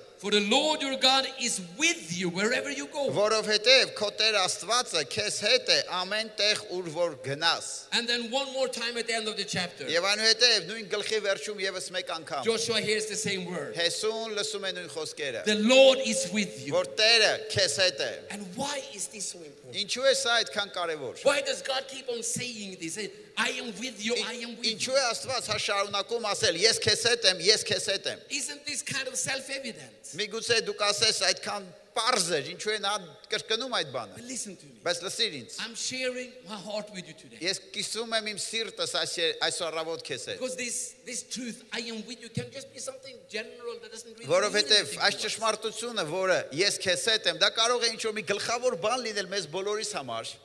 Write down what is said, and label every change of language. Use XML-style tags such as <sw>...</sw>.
<en>For the Lord your God is with you wherever you go. And then one more time at the end of the chapter. Joshua hears the same word. The Lord is with you. And why is this so important? Why does God keep on saying this? I am with you, I am with you.</en> <hy>Աստված հաշարունակում ասել, ես քեզ հետ եմ, ես քեզ հետ եմ.</hy> <en>Isn't this kind of self-evident?</en> <hy>Միգուցե դուք ասես այդքան պարզ է, ինչու է նա կրկնում այդ բանը. Բայց լսիր ինձ.</hy> <en>I'm sharing my heart with you today.</en> <hy>Ես կիսում եմ իմ սիրտս այս առավոտ քեզ հետ.</hy> <en>Because this truth, I am with you, can just be something general that doesn't really.</en> <hy>Որովհետև այս ճշմարտությունը, որը ես քեզ հետ եմ, դա կարող է ինչ-որ մի գլխավոր բան լինել մեզ բոլորիս համար.</hy>